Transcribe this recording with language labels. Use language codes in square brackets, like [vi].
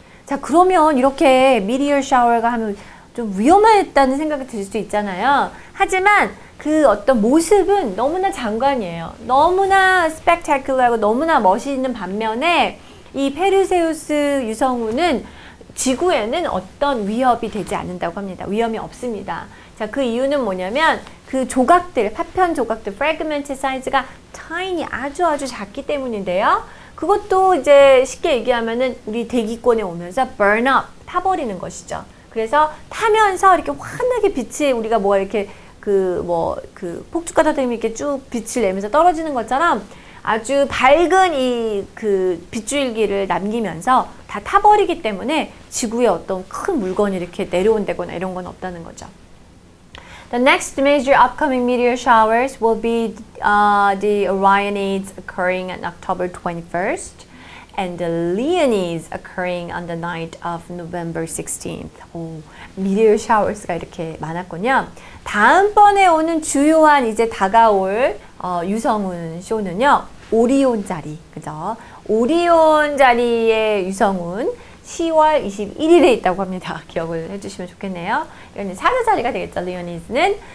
[ko] 자, 그러면 이렇게 미디어 샤워가 하면 좀 위험하다는 생각이 들 수 있잖아요. 하지만 그 어떤 모습은 너무나 장관이에요. 너무나 스펙타큘러하고 너무나 멋있는 반면에 이 페르세우스 유성운은 지구에는 어떤 위협이 되지 않는다고 합니다. 위험이 없습니다. 자, 그 이유는 뭐냐면 그 조각들, 파편 조각들, fragment 사이즈가 tiny, 아주 아주 작기 때문인데요. 그것도 이제 쉽게 얘기하면은 우리 대기권에 오면서 burn up, 타버리는 것이죠. 그래서 타면서 이렇게 환하게 빛이 우리가 뭐 이렇게 그 폭죽 같은 데 이렇게 쭉 빛을 내면서 떨어지는 것처럼 아주 밝은 이 그 빗줄기를 남기면서 다 타버리기 때문에 지구에 어떤 큰 물건이 이렇게 내려온다거나 이런 건 없다는 거죠. [en] The next major upcoming meteor showers will be the Orionids occurring on October 21st. And the Leonids occurring on the night of November 16th. [ko] 오, meteor showers가 이렇게 많았군요. 다음번에 오는 주요한 이제 다가올 유성운 쇼는요. 오리온 자리, 그죠? 오리온 자리의 유성운 10월 21일에 있다고 합니다. 기억을 해주시면 좋겠네요. 이건 사자 자리가 되겠죠, 리오니즈는.